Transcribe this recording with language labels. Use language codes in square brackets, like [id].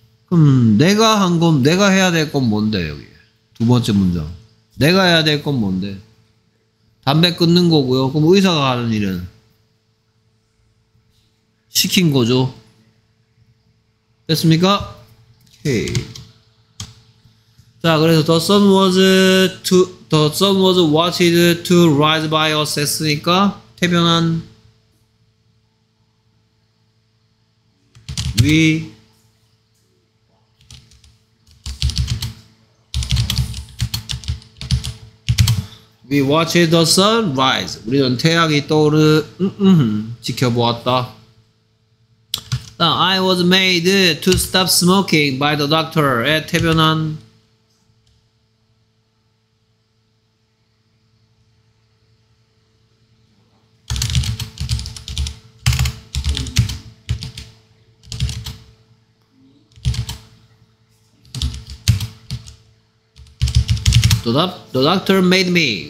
[ko] 그럼 내가 한 건, 내가 해야 될 건 뭔데 여기 두 번째 문장. 내가 해야 될 건 뭔데? 담배 끊는 거고요. 그럼 의사가 하는 일은 시킨 거죠. 됐습니까? 오케이. 자, 그래서 [en] the sun was watched to rise by us [ko] 했으니까 태변한 [en] we We watched the sun rise. [ko] 우리는 태양이 지켜보았다. [en] I was made to stop smoking by the doctor. [ko] 에 태변한 [en] The doctor made me.